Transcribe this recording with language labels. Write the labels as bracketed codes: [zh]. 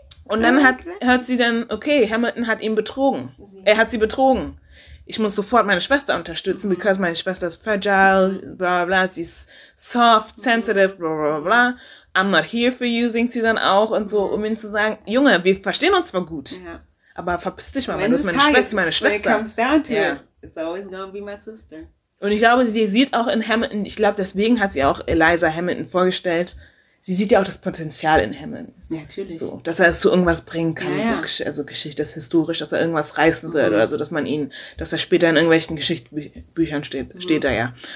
[de] Und dann hört sie, Hamilton hat ihn betrogen. Er hat sie betrogen. Ich muss sofort meine Schwester unterstützen, [en] because [de] meine Schwester ist fragile, bla bla, sie ist soft, sensitive, bla bla bla. [en] I'm not here for you, [de] singt sie dann auch und so, um ihnen zu sagen, Junge, wir verstehen uns zwar gut, aber verpiss dich mal, weil du bist meine Schwester. [en] When it comes down to it, it's always gonna be my sister. [de] Und ich glaube, sie sieht auch in Hamilton, ich glaube, deswegen hat sie auch Eliza Hamilton vorgestellt, sie sieht ja auch das Potenzial in Hamilton. Ja, natürlich. So, dass er es zu irgendwas bringen kann, also Geschichte, das ist historisch, dass er irgendwas reißen wird oder so, dass er später in irgendwelchen Geschichtsbüchern steht da ja.